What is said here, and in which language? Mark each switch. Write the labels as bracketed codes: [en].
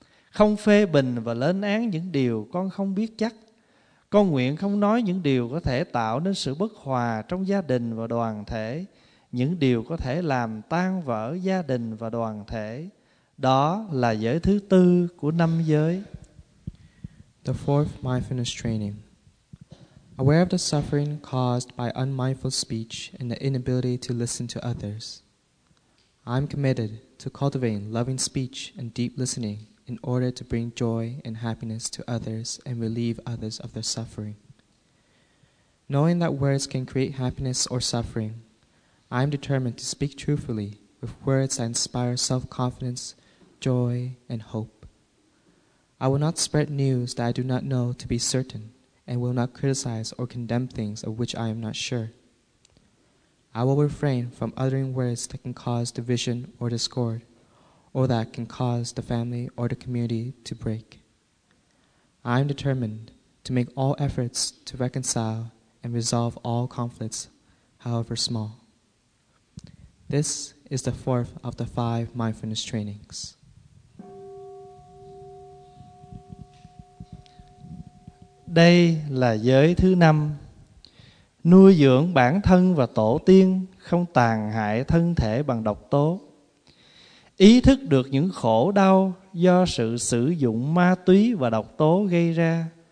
[vi] Không phê bình và lên án những điều con không biết chắc. Con nguyện không nói những điều có thể tạo nên sự bất hòa trong gia đình và đoàn thể, những điều có thể làm tan vỡ gia đình và đoàn thể. Đó là giới thứ tư của năm giới. [en] The fourth mindfulness training. Aware of the suffering caused by unmindful speech and the inability to listen to others, I'm committed to cultivating loving speech and deep listening in order to bring joy and happiness to others and relieve others of their suffering. Knowing that words can create happiness or suffering, I'm determined to speak truthfully with words that inspire self-confidence, joy, and hope. I will not spread news that I do not know to be certain, and will not criticize or condemn things of which I am not sure. I will refrain from uttering words that can cause division or discord, or that can cause the family or the community to break. I am determined to make all efforts to reconcile and resolve all conflicts, however small. This is the fourth of the five mindfulness trainings. [vi] Đây là giới thứ năm, nuôi dưỡng bản thân và tổ tiên, không tàn hại thân thể bằng độc tố. Ý thức được những khổ đau do sự sử dụng ma túy và độc tố gây ra.